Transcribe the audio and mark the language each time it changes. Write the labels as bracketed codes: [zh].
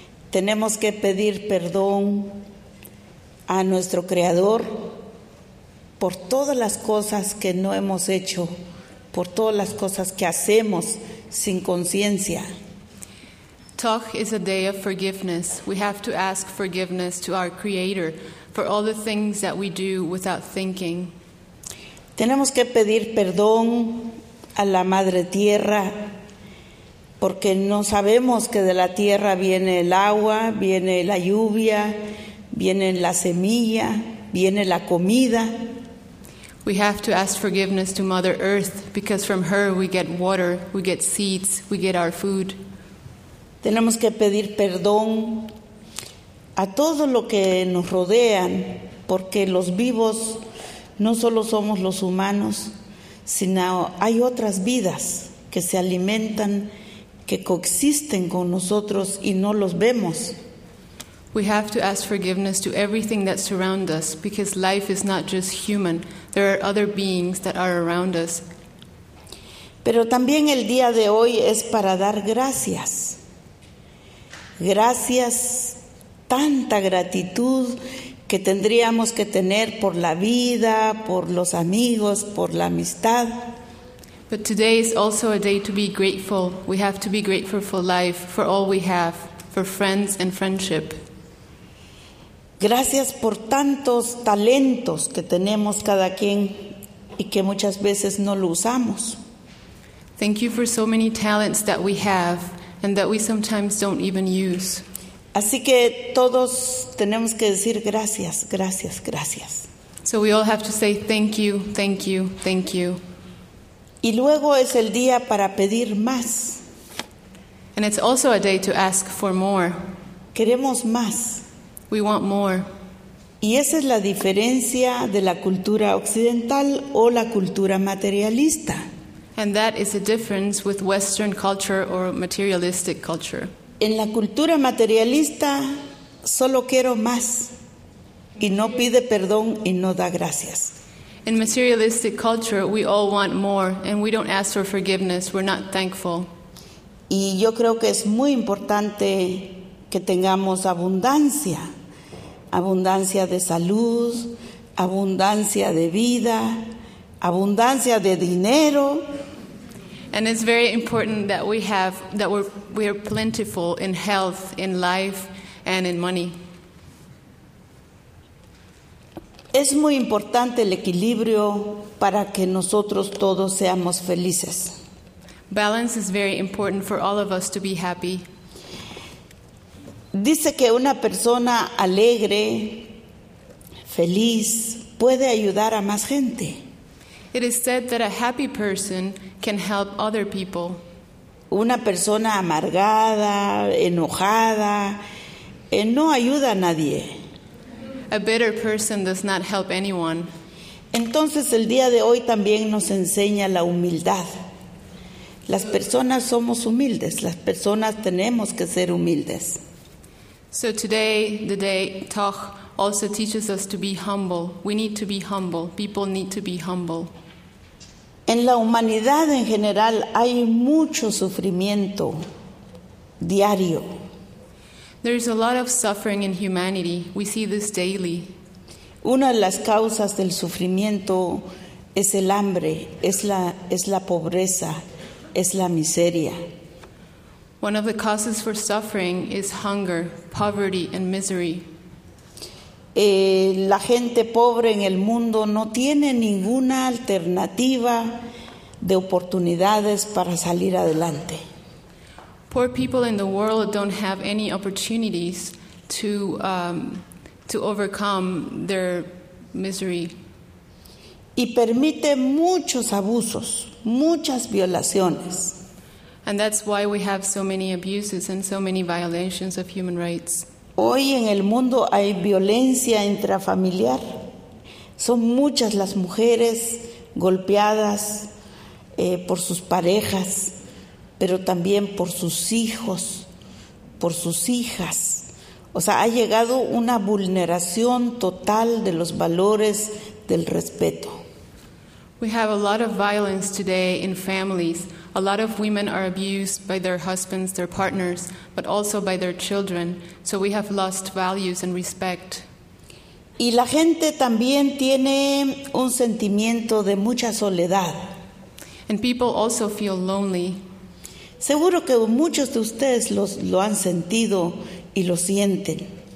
[es] Tenemos que pedir perdón a nuestro creador por todas las cosas que no hemos hecho, por todas las cosas que hacemos sin conciencia. [en] Toch is a day of forgiveness. We have to ask forgiveness to our Creator for all the things that we do without thinking. [es] Tenemos que pedir perdón a la Madre Tierra, porque no sabemos que de la tierra viene el agua, viene la lluvia, viene la semilla, viene la comida. [en] We have to ask forgiveness to Mother Earth, because from her we get water, we get seeds, we get our food. [es] Tenemos que pedir perdón a todo lo que nos rodean, porque los vivos no solo somos los humanos, sino hay otras vidas que se alimentan, que coexisten con nosotros y no los vemos. [en] We have to ask forgiveness to everything that surrounds us, because life is not just human. There are other beings that are around us. [es] Pero también el día de hoy es para dar gracias. Gracias, tanta gratitud que tendríamos que tener por la vida, por los amigos, por la amistad. [en] But today is also a day to be grateful. We have to be grateful for life, for all we have, for friends and friendship. [es] Gracias por tantos talentos que tenemos cada quien y que muchas veces no lo usamos. [en] Thank you for so many talents that we have and that we sometimes don't even use. [es] Así que todos tenemos que decir gracias, gracias, gracias. [en] So we all have to say thank you, thank you, thank you. [es] Y luego es el día para pedir más. [en] And it's also a day to ask for more. [es] Queremos más. [en] We want more. [es] Y esa es la diferencia de la cultura occidental o la cultura materialista. [en] And that is the difference with Western culture or materialistic culture. [es] En la cultura materialista, solo quiero más. Y no pide perdón y no da gracias. [en] In materialistic culture, we all want more, and we don't ask for forgiveness. We're not thankful. [es] Y yo creo que es muy importante que tengamos abundancia. Abundancia de salud, abundancia de vida, abundancia de dinero. [en] And it's very important that we are plentiful in health, in life, and in money. [es] Es muy importante el equilibrio para que nosotros todos seamos felices. [en] Balance is very important for all of us to be happy. [es] Dice que una persona alegre, feliz, puede ayudar a más gente. [en] It is said that a happy person can help other people. [es] Una persona amargada, enojada, no ayuda a nadie. [en] A bitter person does not help anyone. [es] Entonces, el día de hoy también nos enseña la humildad. Las personas somos humildes. Las personas tenemos que ser humildes. [en] So today, the day Toch also teaches us to be humble. We need to be humble. People need to be humble. [es] En la humanidad en general hay mucho sufrimiento diario. [en] There is a lot of suffering in humanity. We see this daily. [es] Una de las causas del sufrimiento es el hambre, es la pobreza, es la miseria. [en] One of the causes for suffering is hunger, poverty, and misery. [es] La gente pobre en el mundo no tiene ninguna alternativa de oportunidades para salir adelante. [en] Poor people in the world don't have any opportunities to overcome their misery. [es] Y permite muchos abusos, muchas violaciones. [en] And that's why we have so many abuses and so many violations of human rights. [es] Hoy en el mundo hay violencia intrafamiliar. Son muchas las mujeres golpeadas por sus parejas, pero también por sus hijos, por sus hijas. O sea, ha llegado una vulneración total de los valores del respeto. [en] We have a lot of violence today in families. A lot of women are abused by their husbands, their partners, but also by their children. So we have lost values and respect. [es] Y la gente también tiene un sentimiento de mucha soledad. [en] And people also feel lonely. [es] Seguro que muchos de ustedes lo han sentido y lo sienten.